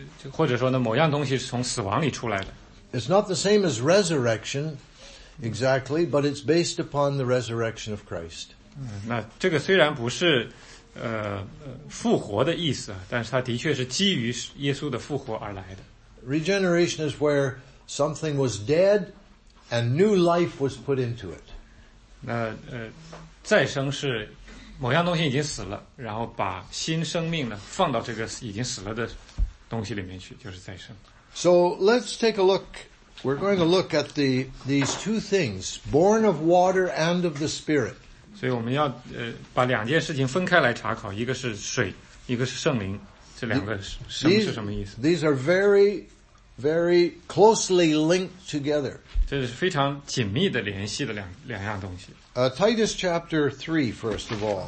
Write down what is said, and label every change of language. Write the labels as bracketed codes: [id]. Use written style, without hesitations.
[zh] 或者说呢，某样东西是从死亡里出来的。 [en] It's not the same as resurrection, exactly, but it's based upon the resurrection of Christ. [zh] 那这个虽然不是复活的意思，但是它的确是基于耶稣的复活而来的。 [en] Regeneration is where something was dead,And new life was put into it. [zh] 那再生是某样东西已经死了，然后把新生命呢放到这个已经死了的东西里面去，就是再生。 [en] So let's take a look. We're going to look at these two things, born of water and of the Spirit. [zh] 所以我们要把两件事情分开来查考，一个是水，一个是圣灵，这两个生是什么意思 [en] ？These are very, very closely linked together. [zh] 这是非常紧密的联系的两样东西。 [en] Titus chapter 3, first of all.